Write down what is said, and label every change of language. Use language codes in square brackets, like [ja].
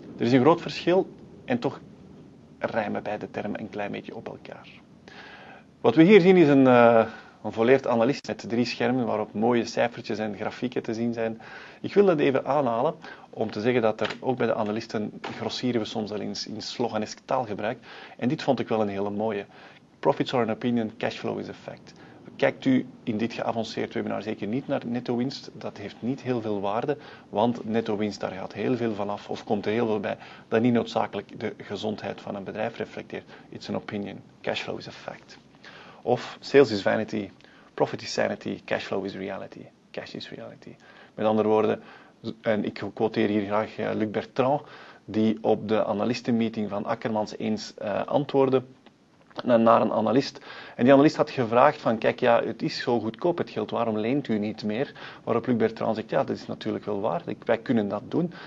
[nl] Er is een groot verschil en toch rijmen beide termen een klein beetje op elkaar. Wat we hier zien is een volleerd analist met 3 schermen waarop mooie cijfertjes en grafieken te zien zijn. Ik wil dat even aanhalen om te zeggen dat er ook bij de analisten grossieren we soms al in sloganesk taalgebruik. En dit vond ik wel een hele mooie. [en] Profits are an opinion, cashflow is a fact. [nl] Kijkt u in dit geavanceerd webinar zeker niet naar netto winst. Dat heeft niet heel veel waarde, want netto winst, daar gaat heel veel van af of komt er heel veel bij dat niet noodzakelijk de gezondheid van een bedrijf reflecteert. [en] It's an opinion, cashflow is a fact. Of sales is vanity, profit is sanity, cashflow is reality, cash is reality. [nl] Met andere woorden, en ik quoteer hier graag Luc Bertrand, die op de analistenmeeting van Akkermans eens antwoordde naar een analist. En die analist had gevraagd van, kijk ja, het is zo goedkoop, het geld, waarom leent u niet meer? Waarop Luc Bertrand zegt, ja, dat is natuurlijk wel waar, wij kunnen dat doen.